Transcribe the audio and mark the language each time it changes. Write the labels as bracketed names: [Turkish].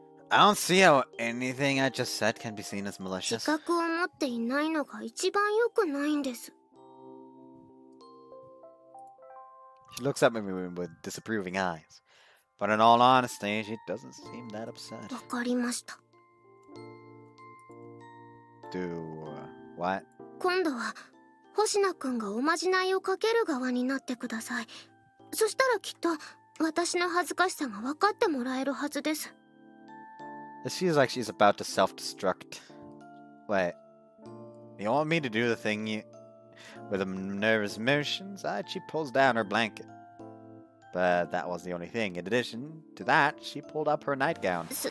[English] I don't see how anything I just said can be seen as malicious. She looks at me with disapproving eyes. But in all honesty, she doesn't seem that upset. Do what? [Japanese] 今度は星名くんがおまじないをかける側になってください。そしたらきっと私の恥ずかしさが分かってもらえるはずです。 [English] It seems like she's about to self-destruct. Wait, you want me to do the thing you... With a nervous motion, she pulls down her blanket. But that was the only thing. In addition to that, she pulled up her nightgown.